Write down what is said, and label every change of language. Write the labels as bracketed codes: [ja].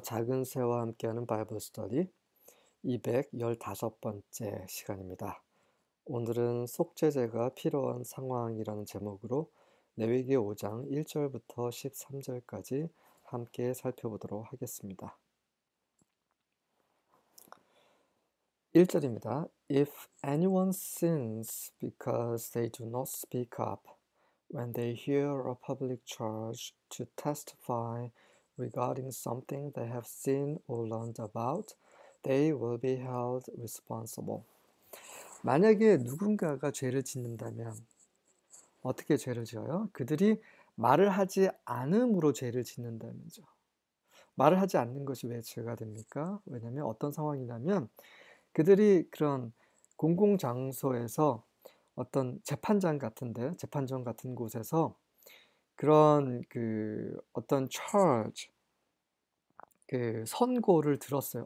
[ko] 작은 새와 함께하는 바이블 스터디 215번째 시간입니다. 오늘은 속죄제가 필요한 상황이라는 제목으로 레위기 5장 1절부터 13절까지 함께 살펴보도록 하겠습니다. 1절입니다. [en] If anyone sins because they do not speak up when they hear a public charge to testify regarding something they have seen or learned about, they will be held responsible. [ko] 만약에 누군가가 죄를 짓는다면 어떻게 죄를 지어요? 그들이 말을 하지 않음으로 죄를 짓는다면죠. 말을 하지 않는 것이 왜 죄가 됩니까? 왜냐하면 어떤 상황이냐면 그들이 그런 공공장소에서 어떤 재판장 같은데, 재판정 같은 곳에서 그런 그 어떤 charge, 그 선고를 들었어요.